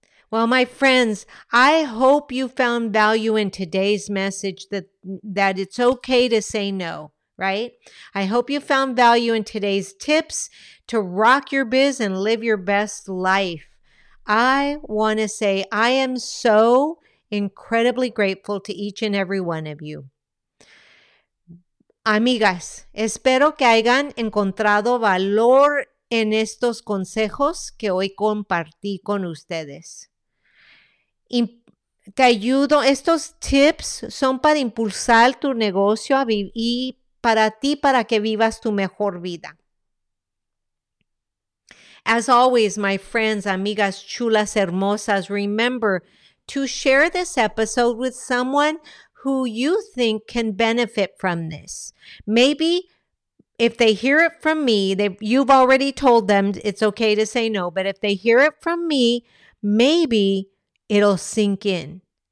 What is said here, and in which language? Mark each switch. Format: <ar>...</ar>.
<en>Well, my friends, I hope you found value in today's message that it's okay to say no. Right? I hope you found value in today's tips to rock your biz and live your best life. I want to say I am so incredibly grateful to each and every one of you.</en> <es>Amigas, espero que hayan encontrado valor en estos consejos que hoy compartí con ustedes. Te ayudo, estos tips son para impulsar tu negocio a vivir para ti, para que vivas tu mejor vida.</es> <en>As always, my friends,</en> <es>amigas, chulas, hermosas,</es> <en>remember to share this episode with someone who you think can benefit from this. Maybe if they hear it from me, you've already told them it's okay to say no, but if they hear it from me, maybe it'll sink in.</en>